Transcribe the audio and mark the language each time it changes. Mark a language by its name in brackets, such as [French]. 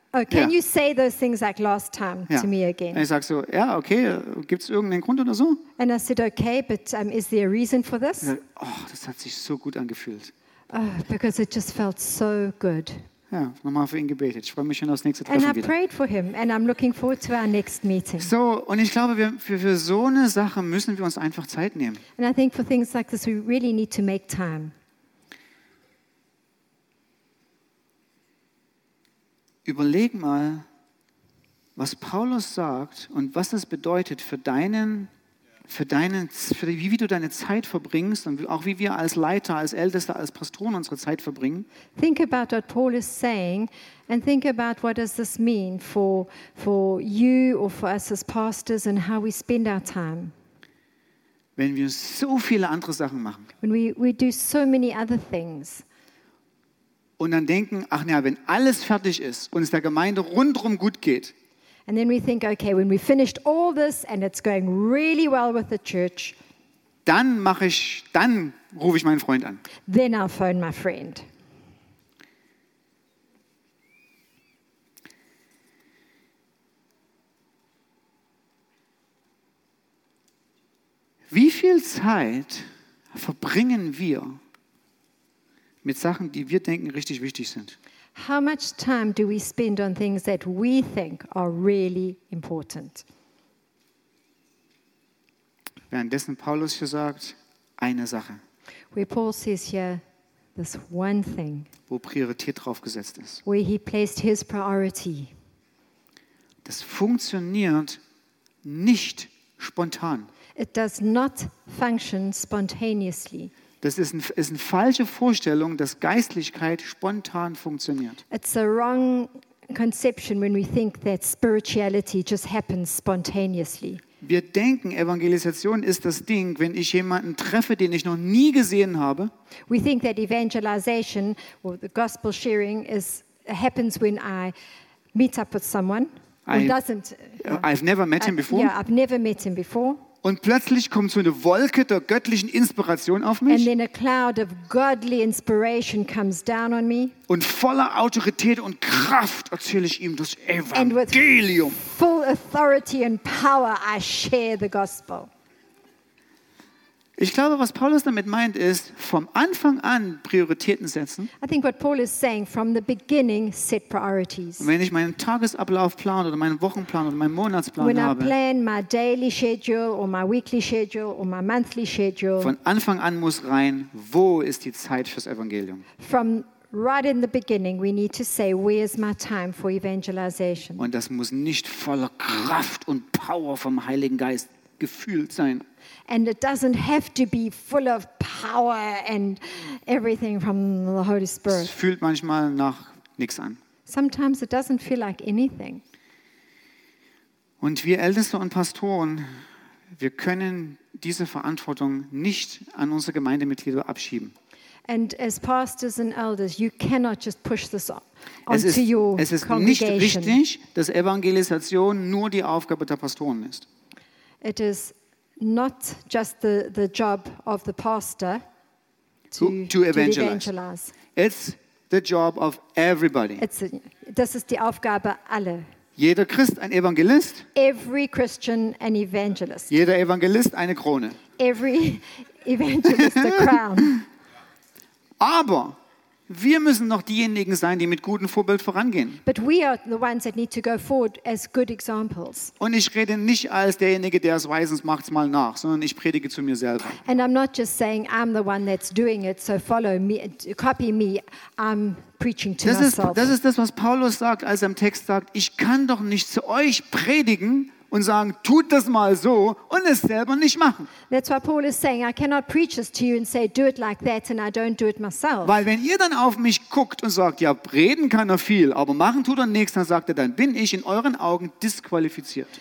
[English] You say those things like last time to me again? [German] Und ich sag so, ja, okay, gibt's irgendeinen Grund oder so? [English] And I said, okay, but is there a reason for this? [German] Oh, das hat sich so gut angefühlt. [English] Because it just felt so good. [German] Ja, nochmal für ihn gebetet. Ich freue mich schon aufs nächste Treffen [English] and [German] wieder. [English] And I prayed for him and I'm looking forward to our next meeting. [German] So, und ich glaube, für so eine Sache müssen wir uns einfach Zeit nehmen. [English] And I think for things like this we really need to make time. [German] Überleg mal, was Paulus sagt und was das bedeutet für wie du deine Zeit verbringst und auch wie wir als Leiter, als Älteste, als Pastoren unsere Zeit verbringen. [English] Think about what Paul is saying and think about what does this mean for you or for us as pastors and how we spend our time. [German] Wenn wir so viele andere Sachen machen. [English] When we do so many other things. [German] Und dann denken, ach ja, wenn alles fertig ist und es der Gemeinde rundherum gut geht. [English] And then we think, okay, when we finished all this and it's going really well with the church, [German] dann rufe ich meinen Freund an. [English] Then I'll phone my friend. [German] Wie viel Zeit verbringen wir mit Sachen, die wir denken, richtig wichtig sind? [English] How much time do we spend on things that we think are really important? [German] Währenddessen Paulus hier sagt, eine Sache. [English] Where Paul says here, this one thing. [German] Wo Priorität drauf gesetzt ist. [English] Where he placed his priority. [German] Das funktioniert nicht spontan. [English] It does not function spontaneously. [German] Das ist eine falsche Vorstellung, dass Geistlichkeit spontan funktioniert. [English] It's a wrong conception when we think that spirituality just happens spontaneously. [German] Wir denken, Evangelisation ist das Ding, wenn ich jemanden treffe, den ich noch nie gesehen habe. [English] We think that evangelization or the gospel sharing happens when I meet up with someone. I've never met him before. Yeah, I've never met him before. [German] Und plötzlich kommt so eine Wolke der göttlichen Inspiration auf mich. [English] And then a cloud of godly inspiration comes down on me. [German] Und voller Autorität und Kraft erzähle ich ihm das Evangelium. [English] And with full authority and power I share the gospel. [German] Ich glaube, was Paulus damit meint, ist, vom Anfang an Prioritäten setzen. [English] I think what Paul is saying, from the beginning, set priorities. [German] Wenn ich meinen Tagesablauf plan oder meinen Wochenplan oder meinen Monatsplan [English] when [German] habe. [English] When I plan my daily schedule or my weekly schedule or my monthly schedule. [German] Von Anfang an muss rein, wo ist die Zeit fürs Evangelium? [English] From right in the beginning, we need to say, where is my time for evangelization? [German] Und das muss nicht voller Kraft und Power vom Heiligen Geist gefühlt sein. [English] And it doesn't have to be full of power and everything from the Holy Spirit. [German] Es fühlt manchmal nach nichts an. [English] Sometimes it doesn't feel like anything. [German] Und wir Älteste und Pastoren, wir können diese Verantwortung nicht an unsere Gemeindemitglieder abschieben. [English] And as pastors and elders, you cannot just push this onto your congregation. [German] Es ist nicht richtig, dass Evangelisation nur die Aufgabe der Pastoren ist. [English] It is not just the job of the pastor to evangelize. It's the job of everybody. [German] Das ist die Aufgabe aller. Jeder Christ ein Evangelist. [English] Every Christian an evangelist. [German] Jeder Evangelist eine Krone. [English] Every evangelist a crown. [German] Aber wir müssen noch diejenigen sein, die mit gutem Vorbild vorangehen. [English] But we are the ones that need to go forward as good examples. [German] Und ich rede nicht als derjenige, der es weisens macht's mal nach, sondern ich predige zu mir selber. [English] And I'm not just saying I'm the one that's doing it, so follow me, copy me. I'm preaching to myself. [German] Das ist das, was Paulus sagt, als er im Text sagt: Ich kann doch nicht zu euch predigen und sagen, tut das mal so und es selber nicht machen. [English] That's why Paul is saying, I cannot preach this to you and say, do it like that and I don't do it myself. [German] Weil wenn ihr dann auf mich guckt und sagt, ja, reden kann er viel, aber machen tut er nichts, dann sagt er, dann bin ich in euren Augen disqualifiziert.